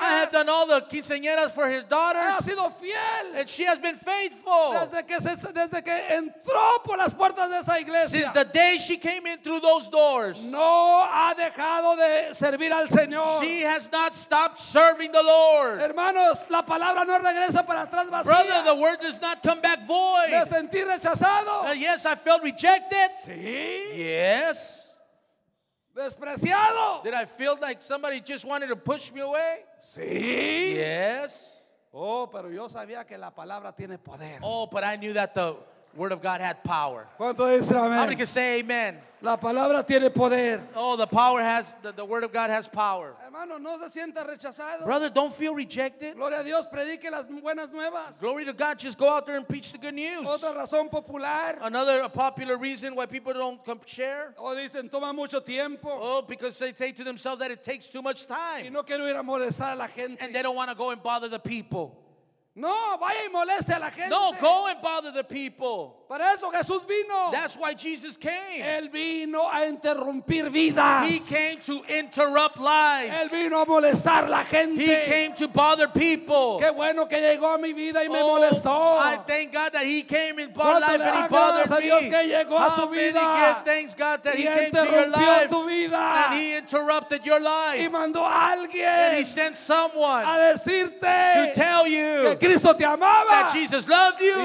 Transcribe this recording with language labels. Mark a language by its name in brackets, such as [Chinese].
[English] I have done all the quinceañeras for her daughter. waters. [Spanish] Ha sido fiel. [English] And she has been faithful. [Spanish] Desde que entró por las puertas de esa iglesia. [English] Since the day she came in through those doors. [Spanish] No ha dejado de servir al Señor. [English] She has not stopped serving the Lord. [Spanish] Hermanos, la palabra no regresa para atrás vacía. [English] Brother, the word does not come back void. [Spanish] Me sentí rechazado. [English] Yes, I felt rejected. [Spanish] Sí. [English] Yes. [Spanish] Despreciado. [English] Did I feel like somebody just wanted to push me away? [Spanish] Sí. [English] Yes. [Spanish] Oh, pero yo sabía que la palabra tiene poder. [English] Oh, but I knew that the word of God had power. [Spanish] ¿Cuánto dice amén? [English] How many can say amen? [Spanish] La palabra tiene poder. [English] Oh, the power has the word of God has power. [Spanish] Hermano, no se sienta rechazado. [English] Brother, don't feel rejected. [Spanish] Gloria a Dios, predique las buenas nuevas. [English] Glory to God, just go out there and preach the good news. [Spanish] Otra razón popular. [English] Another popular reason why people don't come share. [Spanish] Oh, dicen toma mucho tiempo. [English] Oh, because they say to themselves that it takes too much time. [Spanish] Y no quiero ir a molestar a la gente. [English] And they don't want to go and bother the people. [Spanish] No, vaya y moleste a la gente. [English] No, go and bother the people. [Spanish] Para eso Jesús vino. [English] That's why Jesus came. [Spanish] Él vino a interrumpir vidas. [English] He came to interrupt lives. [Spanish] Él vino a molestar la gente. [English] He came to bother people. [Spanish] Qué bueno que llegó a mi vida y me molestó. [English] I thank God that he came in my life and he bothered me. [Spanish] Dios que llegó a su vida. [English] How many give thanks God that he came to your life and he interrupted your life. [Spanish] Y mandó a alguien. [English] And he sent someone [Spanish] a decirte [English] to tell you [Spanish] que Cristo te amaba. [English] That Jesus loved you.